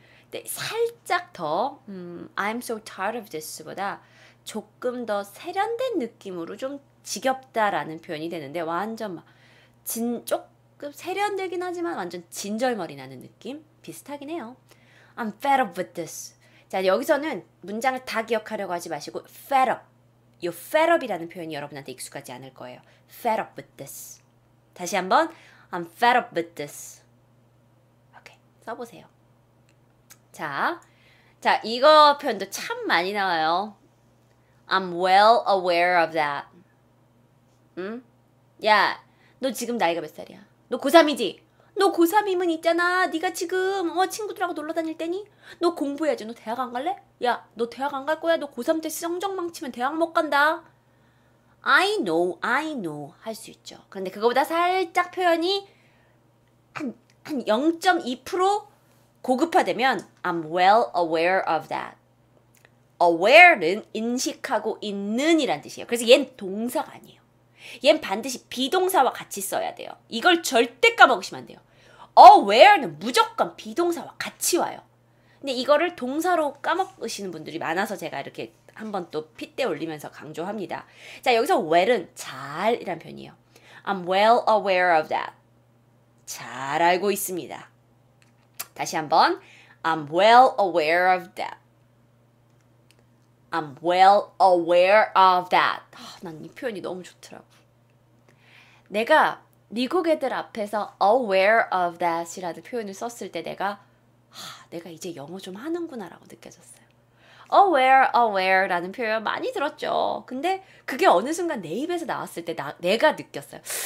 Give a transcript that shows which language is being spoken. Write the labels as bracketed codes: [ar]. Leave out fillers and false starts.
[ko] 근데 살짝 더 [en] I'm so tired of this [ko] 보다 조금 더 세련된 느낌으로 좀 지겹다라는 표현이 되는데 완전 막 조금 세련되긴 하지만 완전 진절머리 나는 느낌 비슷하긴 해요. [en] I'm fed up with this. [ko] 자, 여기서는 문장을 다 기억하려고 하지 마시고 fed up. 이 fed up이라는 표현이 여러분한테 익숙하지 않을 거예요. [en] Fed up with this. [ko] 다시 한번 [en] I'm fed up with this. [ko] 오케이, 써보세요. 자, 이거 표현도 참 많이 나와요. [en] I'm well aware of that. [ko] 응? 야, 너 지금 나이가 몇 살이야? 너 고3이지? 너 고3이면 있잖아. 네가 지금 친구들하고 놀러 다닐 때니? 너 공부해야지. 너 대학 안 갈래? 야, 너 대학 안 갈 거야? 너 고3 때 성적 망치면 대학 못 간다. [en] I know, I know [ko] 할 수 있죠. 그런데 그거보다 살짝 표현이 한 0.2% 고급화되면 [en] I'm well aware of that. [ko] Aware는 인식하고 있는 이란 뜻이에요. 그래서 얜 동사가 아니에요. 얜 반드시 비동사와 같이 써야 돼요. 이걸 절대 까먹으시면 안 돼요. Aware는 무조건 비동사와 같이 와요. 근데 이거를 동사로 까먹으시는 분들이 많아서 제가 이렇게 한번 또 핏대 올리면서 강조합니다. 자, 여기서 well은 잘이란 표현이에요. [en] I'm well aware of that. [ko] 잘 알고 있습니다. 다시 한번 [en] I'm well aware of that. I'm well aware of that. [ko] 난 이 표현이 너무 좋더라고. 내가 미국 애들 앞에서 aware of that이라는 표현을 썼을 때 내가 내가 이제 영어 좀 하는구나 라고 느껴졌어요. aware라는 표현 많이 들었죠. 근데 그게 어느 순간 내 입에서 나왔을 때 내가 느꼈어요.